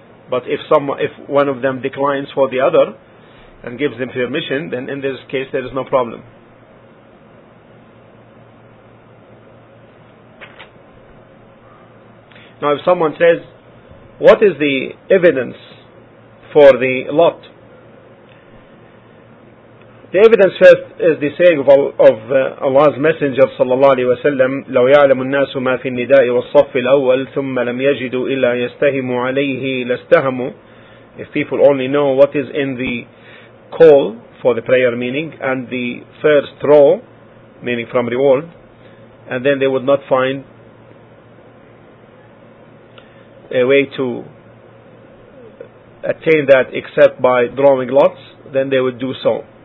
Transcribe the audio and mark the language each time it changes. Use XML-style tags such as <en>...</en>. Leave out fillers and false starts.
<en>But if one of them declines for the other and gives them permission, then in this case there is no problem. Now if someone says, what is the evidence for the lot? The evidence first is the saying of Allah's Messenger sallallahu alaihi wasallam,</en> <ar>لو يعلم الناس ما في النداء والصف الأول ثم لم يجدوا إلا يستهموا عليه لاستهموا.</ar> <en>If people only know what is in the call for the prayer, meaning, and the first row, meaning from reward, and then they would not find a way to attain that except by drawing lots, then they would do so.</en>